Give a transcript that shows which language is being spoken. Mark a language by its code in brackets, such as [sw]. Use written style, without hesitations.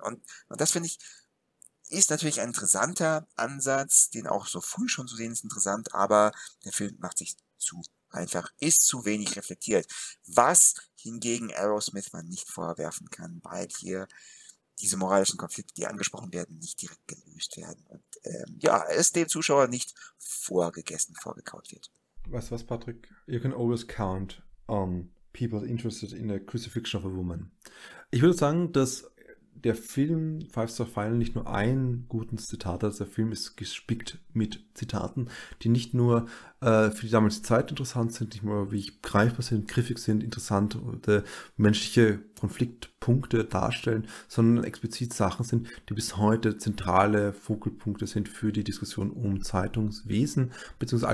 [de] Und das finde ich, ist natürlich ein interessanter Ansatz, den auch so früh schon zu sehen ist interessant, aber der Film macht sich zu einfach, ist zu wenig reflektiert. Was hingegen Aerosmith man nicht vorwerfen kann, weil hier diese moralischen Konflikte, die angesprochen werden, nicht direkt gelöst werden. Und ja, es dem Zuschauer nicht vorgegessen, vorgekaut wird. Weißt du was, Patrick? [en] You can always count on people interested in a crucifixion of a woman. [de] Ich würde sagen, dass der Film Five Star Final nicht nur ein gutes Zitat hat, der Film ist gespickt mit Zitaten, die nicht nur für die damalige Zeit interessant sind, nicht nur wirklich greifbar sind, griffig sind, interessante menschliche Konfliktpunkte darstellen, sondern explizit Sachen sind, die bis heute zentrale Fokalpunkte sind für die Diskussion um Zeitungswesen bzw.